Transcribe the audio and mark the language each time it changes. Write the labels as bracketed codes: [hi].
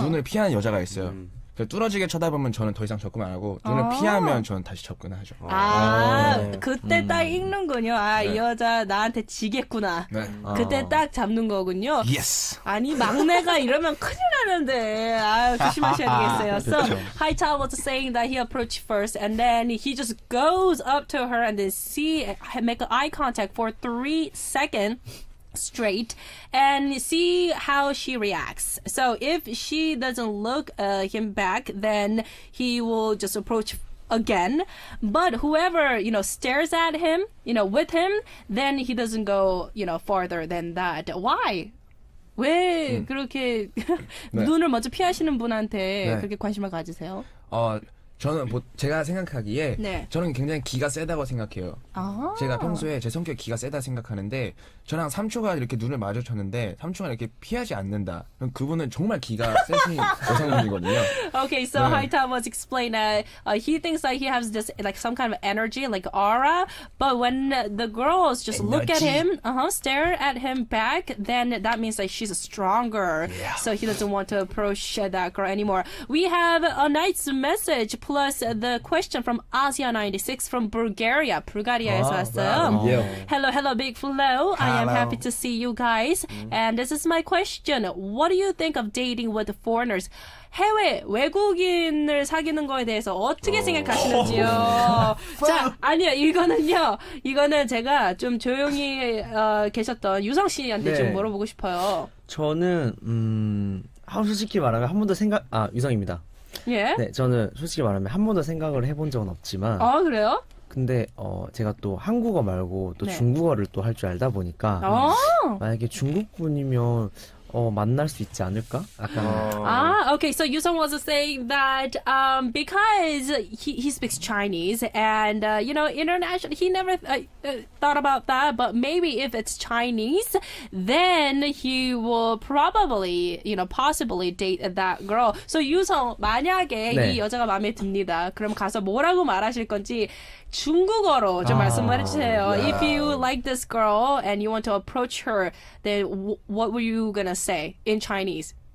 [ko] 눈을 피하는 여자가 있어요. 뚫어지게 쳐다보면 저는 더 이상 접근 안 하고 눈을 피하면 저는 다시 접근하죠. 아, 그때 딱 읽는군요. 아, 네. 이 여자 나한테 지겠구나. 네. 그때 딱 잡는 거군요. [en] Yes. [ko] 아니, 막내가 이러면 큰일 나는데. 아, 조심하셔야 되겠어요. [en] So, Haita was saying that he approached first and then he just goes up to her and then make eye contact for 3 seconds. Straight and see how she reacts. So if she doesn't look him back, then he will just approach again. But whoever, you know, stares at him, you know, with him, then he doesn't go, you know, farther than that. Why? [ko] 왜 그렇게 네. 눈을 먼저 피하시는 분한테 네. 그렇게 관심을 가지세요? 저는 뭐 제가 생각하기에 네. 저는 굉장히 기가 세다고 생각해요. 아~ 제가 평소에 제 성격 기가 세다 생각하는데 저랑 3초간 이렇게 눈을 마주쳤는데 3초간 이렇게 피하지 않는다. 그럼 그분은 정말 기가 세신 여성분이거든요. [en] Okay, so Haita was explaining that he thinks that he has this like some kind of energy, like aura. But when the girls just energy. Look at him, stare at him back, then that means that she's stronger. Yeah. So he doesn't want to approach that girl anymore. We have a nice message. Plus the question from Asia 96 from Bulgaria. Bulgaria is awesome. Hello, hello, BIGFLO. I am happy to see you guys. And this is my question. What do you think of dating with foreigners? [ko] 해외 외국인을 사귀는 거에 대해서 어떻게 생각하시는지요? 자, 아니요, 이거는요. 이거는 제가 좀 조용히 계셨던 유성 씨한테 좀 물어보고 싶어요. 저는 솔직히 말하면 한 번도 생각 유성입니다. 예? 네, 저는 솔직히 말하면 한 번도 생각을 해본 적은 없지만 아, 그래요? 근데 제가 또 한국어 말고 또 네. 중국어를 또 할 줄 알다 보니까 만약에 중국분이면 만날 수 있지 않을까? [en] Okay, so Yusung was saying that because he speaks Chinese and you know, international, he never thought about that, but maybe if it's Chinese, then he will probably, you know, possibly date that girl. So [ko] Yusung, 만약에 네. 이 여자가 마음에 듭니다. 그럼 가서 뭐라고 말하실 건지 중국어로 좀 말씀을 해주세요. [en] Yeah. If you like this girl and you want to approach her, then what were you gonna say in Chinese?